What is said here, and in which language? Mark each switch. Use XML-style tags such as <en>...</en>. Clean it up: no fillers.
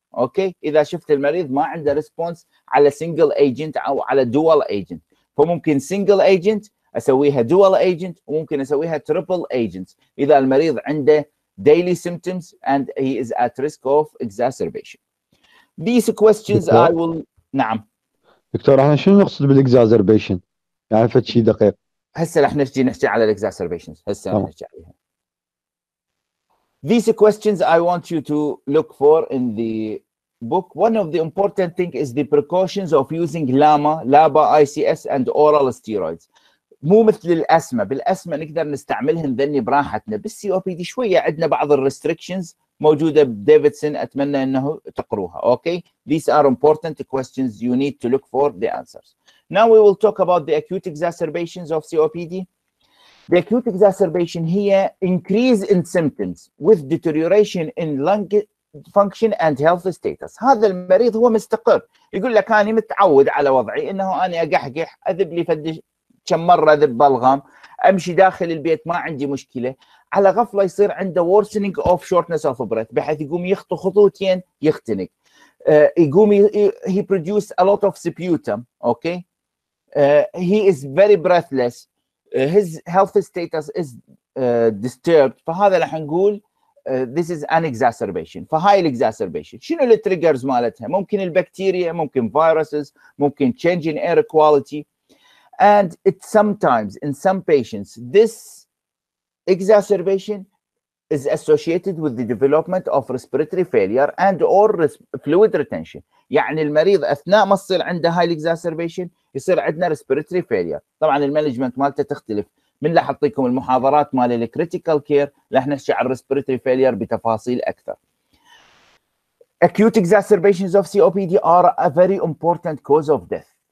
<ar>اوكي اذا شفت المريض ما عنده ريسبونس على سنجل ايجنت او على دوال ايجنت، فممكن سنجل ايجنت اسويها دوال ايجنت وممكن اسويها تريبل ايجنت اذا المريض عنده</ar> <en>Daily symptoms and he is at risk of exacerbation. This questions I will.</en> <ar>نعم دكتور احنا شنو نقصد بالاكزاسربيشن؟ يعني فد شيء دقيق هسه راح نجي نحكي على الاكزاسربيشنز هسه راح نحكي عليها.</ar> <en>These questions I want you to look for in the book. One of the important things is the precautions of using LAMA, LABA, ICS, and oral steroids.</en> <ar>مو مثل الأسمة. بالأسمة نقدر نستعملهم ذني براحتنا، بالسي او بي دي شوية عندنا بعض الريستريكشنز موجودة بديفيدسون، أتمنى أنه تقروها.</ar> <en>Okay, these are important questions you need to look for the answers. Now we will talk about the acute exacerbations of COPD. The acute exacerbation here increase in symptoms with deterioration in lung function and health status.</en> <ar>هذا المريض هو مستقر، يقول لك أنا متعود على وضعي أنه أنا أقحقح، أذب لي فدش كم مرة، أذب بلغم، أمشي داخل البيت ما عندي مشكلة. على غفلة يصير عنده</ar> <en>worsening of shortness of breath،</en> <ar>بحيث يقوم يخطو خطوتين يختنق، يقوم</ar> <en>he produce a lot of sputum. Okay. He is very breathless. His health status is disturbed.</en> <ar>فهذا اللي حنقول</ar> <en>this is an exacerbation.</en> <ar>فهاي الاكزاسربيشن شنو اللي تريجرز مالتها؟ ممكن البكتيريا، ممكن viruses، ممكن</ar> <en>change in air quality. And it sometimes in some patients this exacerbation is associated with the development of respiratory failure and or fluid retention.</en> <ar>يعني المريض اثناء ما يصير عنده هاي الاكزاسربيشن يصير عندنا respiratory failure. طبعا المانجمنت مالته تختلف، من اللي حطيكم المحاضرات مال الكريتيكال كير راح نحكي على respiratory failure بتفاصيل اكثر.</ar> <en>Acute exacerbations of COPD are a very important cause of death.</en>